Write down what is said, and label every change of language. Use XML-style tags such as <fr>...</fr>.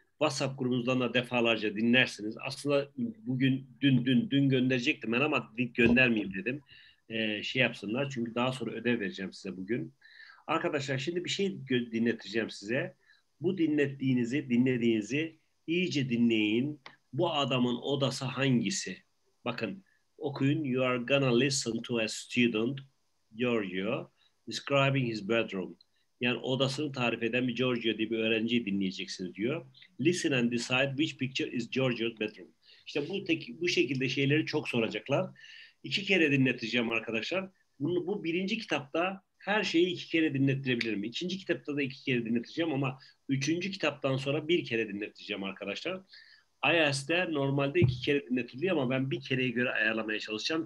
<tr>WhatsApp grubumuzdan da defalarca dinlersiniz. Aslında bugün, dün gönderecektim ben ama göndermeyeyim dedim. Şey yapsınlar çünkü daha sonra ödev vereceğim size bugün. Arkadaşlar şimdi bir şey dinleteceğim size. Bu dinlediğinizi iyice dinleyin. Bu adamın odası hangisi? Bakın okuyun.</tr> <en>You are gonna listen to a student, Giorgio, describing his bedroom.</en> <tr>Yani odasını tarif eden bir Giorgio diye bir öğrenciyi dinleyeceksiniz diyor.</tr> <en>Listen and decide which picture is Giorgio's bedroom.</en> <tr>İşte bu şekilde şeyleri çok soracaklar. İki kere dinleteceğim arkadaşlar. Bu birinci kitapta her şeyi iki kere dinlettirebilirim. İkinci kitapta da iki kere dinleteceğim ama üçüncü kitaptan sonra bir kere dinleteceğim arkadaşlar. IAS'de normalde iki kere dinletiliyor ama ben bir kereye göre ayarlamaya çalışacağım.</tr>